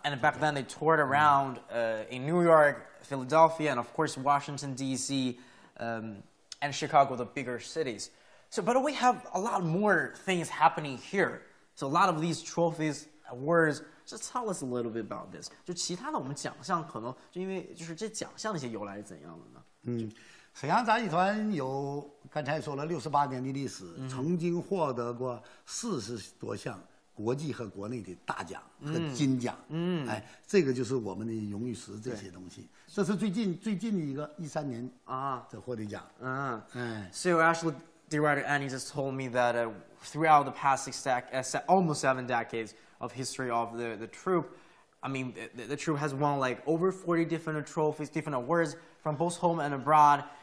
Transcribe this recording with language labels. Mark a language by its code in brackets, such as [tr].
[en] And back then they toured around, in New York, Philadelphia, and of course Washington D.C., and Chicago, the bigger cities. So, but we have a lot more things happening here. So a lot of these trophies, awards. Just tell us a little bit about this. [zh] 就其他的我们奖项可能就因为就是这奖项的一些由来是怎样的呢？嗯，沈阳杂技团有刚才说了68年的历史，曾经获得过40多项。国际和国内的大奖和金奖，嗯，哎，这个就是我们的荣誉石这些东西。这是最近的一个2013年啊的获得奖， [en] 嗯，哎。So actually, Director Anning just told me that throughout the past almost seven decades of history of the troupe, I mean, the troupe has won like over 40 different trophies, different awards from both home and abroad.